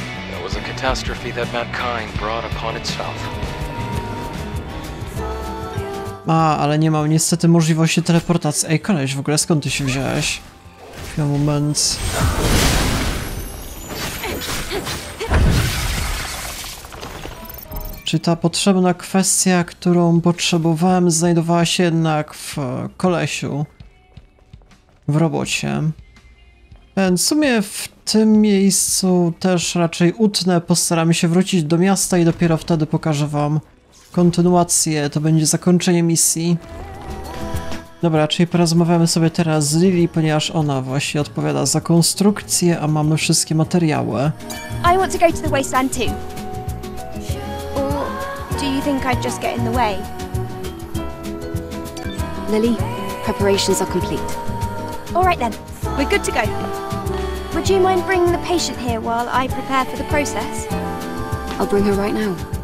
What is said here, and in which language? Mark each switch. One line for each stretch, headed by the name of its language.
English: There was a catastrophe that mankind brought upon itself.
Polish: A, ale nie mam niestety możliwości teleportacji. Ej, koleś, w ogóle skąd ty się wziąłeś? Chwila, moment. Czy ta potrzebna kwestia, którą potrzebowałem, znajdowała się jednak w kolesiu? W robocie. W sumie w tym miejscu też raczej utnę, postaram się wrócić do miasta i dopiero wtedy pokażę wam kontynuację, to będzie zakończenie misji. Dobra, czyli porozmawiamy sobie teraz z Lily, ponieważ ona właśnie odpowiada za konstrukcję, a mamy wszystkie materiały.
English: I want to go to the wasteland too. Or do you think I'd just get in the way? Lily, preparations are complete. All right then. We're good to go. Would you mind bringing the patient here while I prepare for the process? I'll bring her right now.